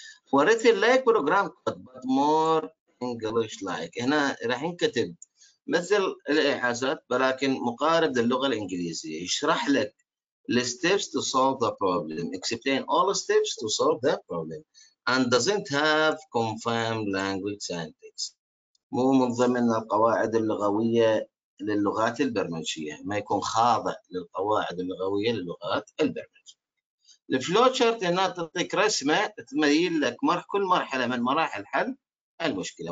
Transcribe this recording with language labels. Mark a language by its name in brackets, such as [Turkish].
[English] For it's like program code, but more English like. [Arabic] هنا راح نكتب مثل الإعازات ولكن مقارب للغة الإنجليزية. يشرح لك [English] the steps to solve the problem. Explain all the steps to solve that problem. And doesn't have confirmed language syntax. [Arabic] مو من ضمن القواعد اللغوية للغات البرمجية. ما يكون خاضع للقواعد اللغوية للغات البرمجية. الفلوتشارت هنا تعطيك رسمة تميل لك كل مرحلة من مراحل حل المشكلة.